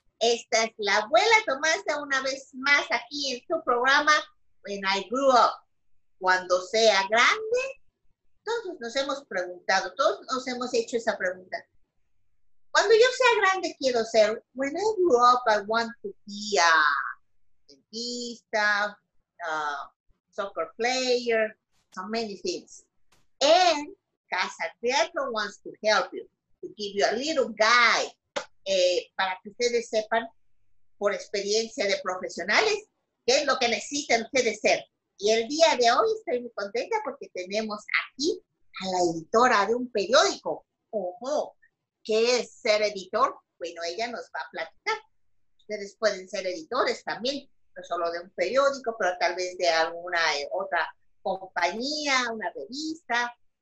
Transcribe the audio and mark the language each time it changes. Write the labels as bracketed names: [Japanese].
[Spanish] Esta es la abuela Tomasa una vez más aquí en su programa When I Grew Up. Cuando sea grande, todos nos hemos preguntado, todos nos hemos hecho esa pregunta. Cuando yo sea grande, quiero ser, [English] when I grew up, I want to be a dentista, a soccer player, so many things. And Casa Creator wants to help you, to give you a little guide. [Spanish] Para que ustedes sepan, por experiencia de profesionales, qué es lo que necesitan ustedes ser. Y el día de hoy estoy muy contenta porque tenemos aquí a la editora de un periódico. ¡Ojo! ¿Qué es ser editor? Bueno, ella nos va a platicar. Ustedes pueden ser editores también, no solo de un periódico, pero tal vez de alguna otra compañía, una revista.